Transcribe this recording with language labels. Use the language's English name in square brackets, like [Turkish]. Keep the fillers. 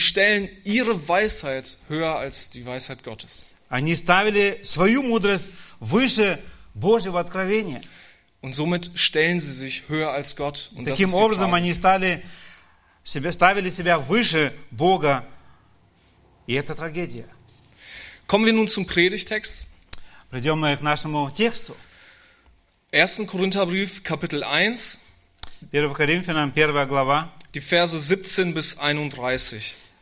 [German] stellen ihre Weisheit höher als die Weisheit Gottes. [Russian] Они ставили свою мудрость выше Божьего откровения. [German] Und somit stellen sie sich höher als Gott. Und, und das [Russian] Таким [German] das [Russian] образом они стали себе, ставили себя выше Бога. И это трагедия. [German] Kommen wir nun zum Predigtext. [Russian] Придем мы к нашему тексту. [German] 1. Korintherbrief, Kapitel 1, die Verse 17 bis 31.